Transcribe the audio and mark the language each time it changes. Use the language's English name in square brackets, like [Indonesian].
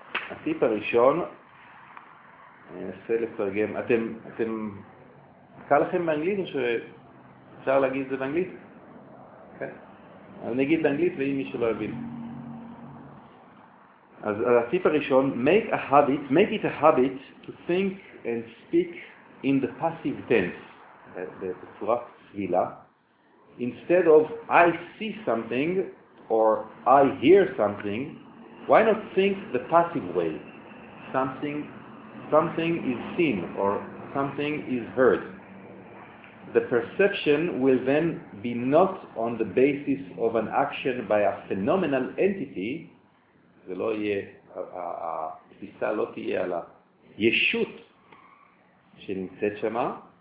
[Hebrew] הטיפ הראשון, אני אנסה לתרגם, אתם קל לכם באנגלית או שאפשר להגיד את זה באנגלית? כן. אני אגיד באנגלית ואם מי שלא יבין. אז הטיפ הראשון, [English] make it a habit to think and speak in the passive tense, [Hebrew] בצורה סבילה, [English] instead of I see something or I hear something, why not think the passive way? Something is seen or something is heard. The perception will then be not on the basis of an action by a phenomenal entity. [Hebrew] זה לא יהיה, התפיסה לא תהיה על הישות שנמצאת שמה.